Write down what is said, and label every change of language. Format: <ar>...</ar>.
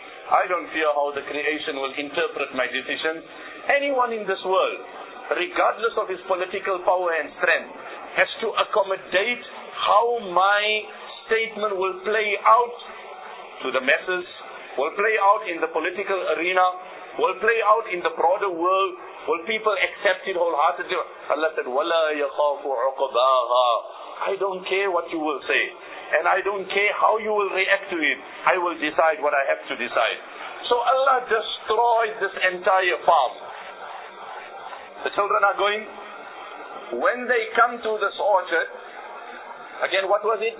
<en>I don't fear how the creation will interpret my decisions. Anyone in this world, regardless of his political power and strength, has to accommodate how my statement will play out to the masses, will play out in the political arena, will play out in the broader world, will people accept it wholeheartedly? Allah said,</en> <ar>وَلَا يَخَافُ عُقَبَاهَا.</ar> <en>I don't care what you will say, and I don't care how you will react to it. I will decide what I have to decide. So Allah destroyed this entire farm. The children are going. When they come to this orchard, again, what was it?</en>